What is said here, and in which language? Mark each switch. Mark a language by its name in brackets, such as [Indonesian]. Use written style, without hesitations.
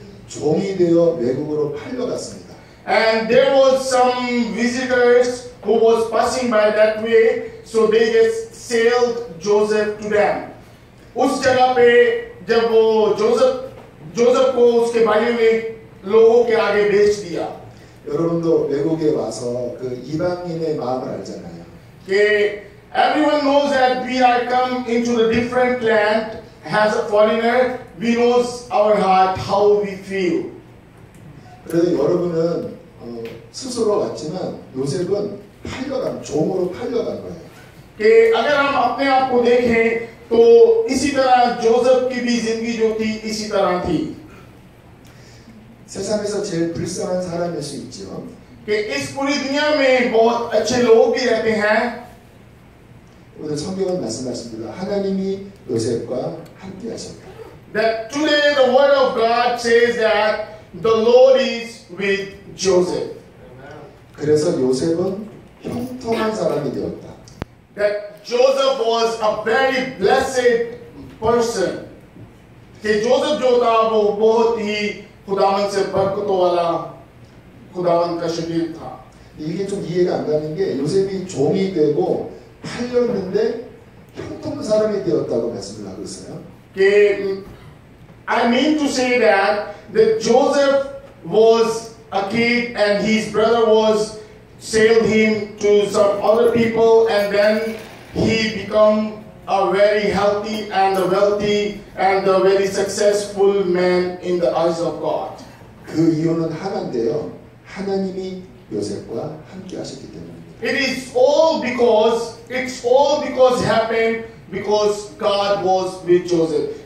[Korean] 종이 되어 외국으로 팔려갔습니다. [English] And there was some visitors who was passing by that way, so they just sold Joseph to them. [Hindi] 우스 जगह पे जब वो Joseph को उसके भाइयों ने लोगों के आगे बेच दिया. [Korean] 여러분도 외국에 와서 그 이방인의 마음을 알잖아요. [English] Everyone knows that we are come into a different land as a foreigner. We knows our heart how we feel. [Korean] 그래도 여러분은 스스로 왔지만 요셉은 팔려간 종으로 팔려간 거예요. [Hindi] 그 अगर हम अपने आप को देखें तो इसी तरह जोसेफ की भी जिंदगी जो थी इसी तरह थी. [Korean] 세상에서 제일 불쌍한 사람일 수 있죠. [Hindi] 그 इस पूरी दुनिया में बहुत अच्छे लोग भी रहते हैं. [Korean] 오늘 성경은 말씀하십니다. 하나님이 요셉과 함께 하셨다. [English] That today the word of God says that the Lord is with Joseph. [Korean] 그래서 요셉은 형통한 사람이 되었다. [English] That Joseph was a very blessed person. [Hindi] 그 Joseph 조 था वो बहुत ही खुदावन से बरकतों वाला खुदावन का शगीर था. [Korean] 이게 좀 이해가 안 가는 게 요셉이 종이 되고 팔렸는데 형통한 사람이 되었다고 말씀을 하고 있어요. [English] 그 I mean to say that Joseph was a kid and his brother was sold him to some other people and then he become a very healthy and a wealthy and a very successful man in the eyes of God. [Korean] 그 이유는 하나인데요. 하나님이 요셉과 함께 하셨기 때문입니다. [English] It's all because happened because God was with Joseph.